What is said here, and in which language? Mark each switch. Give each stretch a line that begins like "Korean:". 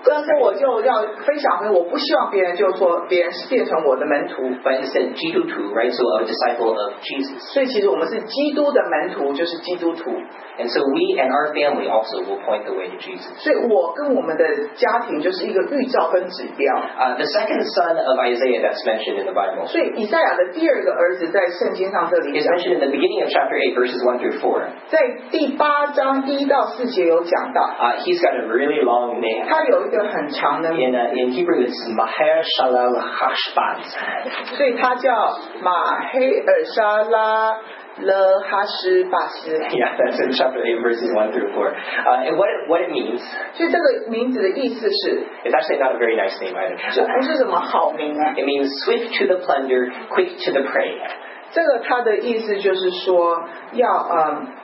Chinese: 但是我就要分享给我，不希望别人就说别人变成我的门徒。
English: But instead,
Chinese: 基督徒
English: right? So a disciple of Jesus.
Chinese: 所以其实我们是基督的门徒，就是基督徒。
English: And so we and our family also will point the way to Jesus.
Chinese: 所以我跟我们的家庭就是一个预兆跟指标。
English: The second son of Isaiah that's mentioned in the Bible.
Chinese: 所以以赛亚的第二个儿子在圣经上这里。
English: Is mentioned in the beginning of chapter 8, verses 1 through 4.
Chinese: 在第八章一到四节有讲到。
English: He's got a really long name.
Chinese: 他有一个很长的。
English: In Hebrew it's Maher Shalal Hashbaz.
Chinese: 所以他叫马黑尔沙拉。
English: Yeah, that's in chapter 8, verses 1 through 4. And what it means?
Chinese: 所以这个名字的意思是
English: It's actually not a very nice name either.
Chinese: 这不是什么好名啊。
English: It means swift to the plunder, quick to the prey.
Chinese: 这个它的意思就是说要